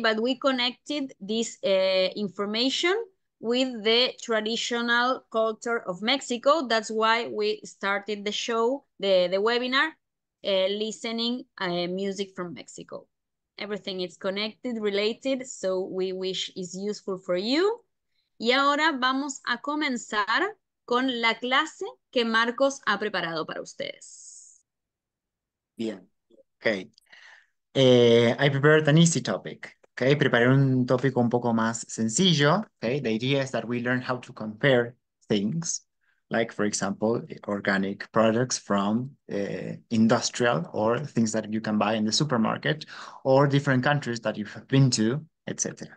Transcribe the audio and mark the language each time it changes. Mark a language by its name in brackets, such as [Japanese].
[English] But we connected this information with the traditional culture of Mexico. That's why we started the show, the webinar, listening music from Mexico. Everything is connected, related, so we wish is useful for you. [Spanish] Y ahora vamos a comenzar con la clase que Marcos ha preparado para ustedes. [English] Bien, okay. I prepared an easy topic. [Spanish] Okay, preparé un tópico un poco más sencillo. [English] Okay, the idea is that we learn how to compare things, like for example, organic products from industrial or things that you can buy in the supermarket, or different countries that you have been to, etc.